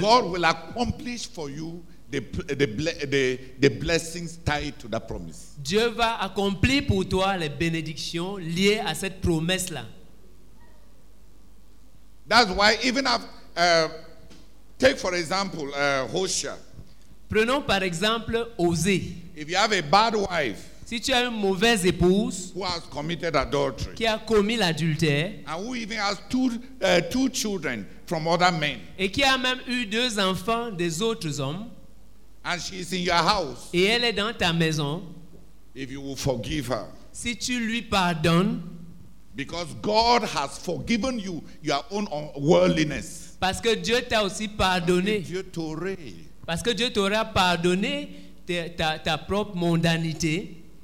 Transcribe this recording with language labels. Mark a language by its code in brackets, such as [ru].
[en] God will accomplish for you the blessings tied to that promise. [fr] Dieu va accomplir pour toi les bénédictions liées à cette promesse là. [en] That's why even take for example Hosea. [fr] Prenons par exemple Osée. [en] If you have a bad wife, [fr] si tu as une mauvaise épouse, [en] who has committed adultery, [fr] qui a commis l'adultère, [en] and who even has two children from other men, [fr] et qui a même eu deux enfants des autres hommes, [en] and she is in your house, [fr] et elle est dans ta maison, [en] if you will forgive her, [fr] si tu lui pardonnes, [en] because God has forgiven you your own worldliness, [fr] parce que Dieu t'a aussi pardonné, Dieu t'aurait, parce que Dieu t'aura pardonné ta propre mondanité.